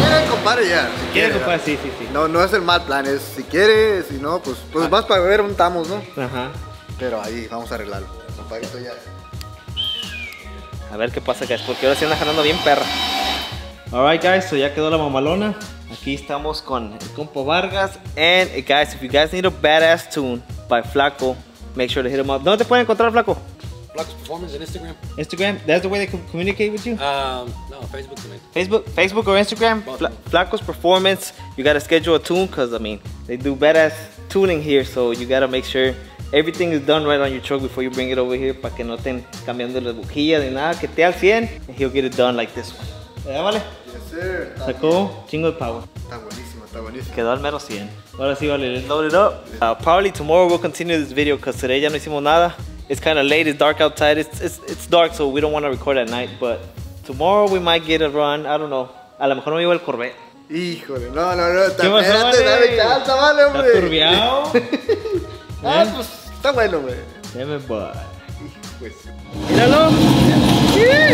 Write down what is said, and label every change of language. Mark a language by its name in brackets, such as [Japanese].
[Spanish] ¿Quiere compadre ya? Si quiere compadre, sí, sí, sí. No, no es el mal plan, es si quiere, si no, pues vas para beber un tamos, ¿no? Ajá. Pero ahí, vamos a arreglarlo. Compadre, esto ya. A ver qué pasa, guys, porque ahora sí anda jalando bien perra. [English] Alright guys, so [Spanish] ya quedó la mamalona. Aquí estamos con el compo Vargas. [English] And guys, if you guys need a badass tune by Flaco, make sure to hit him up. [Spanish] ¿Dónde te pueden encontrar, Flaco? Flaco's Performance en Instagram. [English] Instagram? That's the way they communicate with you? [Spanish] No, Facebook también. [English] Facebook or Instagram? Flaco's Performance. You gotta schedule a tune, cause I mean, they do badass tuning here, so you gotta make sure everything is done right on your truck before you bring it over here, [Spanish] para que no estén cambiando la bujilla ni nada, que esté al 100, [English] and he'll get it done like this one. [Spanish] ¿Ya vale? [English] Yes, sir. [Spanish] Sacó chingo de power. Está buenísimo. Quedó al mero 100. Ahora sí, vale. [English] Let's load it up. Probably tomorrow we'll continue this video because today [Spanish] ya no hicimos nada. [English] It's kind of late. It's dark outside. It's dark, so we don't want to record at night. But tomorrow we might get a run. I don't know. [Spanish] A lo mejor no me llevo el Corvette. Híjole. No. ¿Qué pasó, vale? Dale chance, vale, hombre. ¿Está turbiado? Ah, pues está bueno, hombre. Dame, boy. Híjole. ¡Míralo! ¡Sí!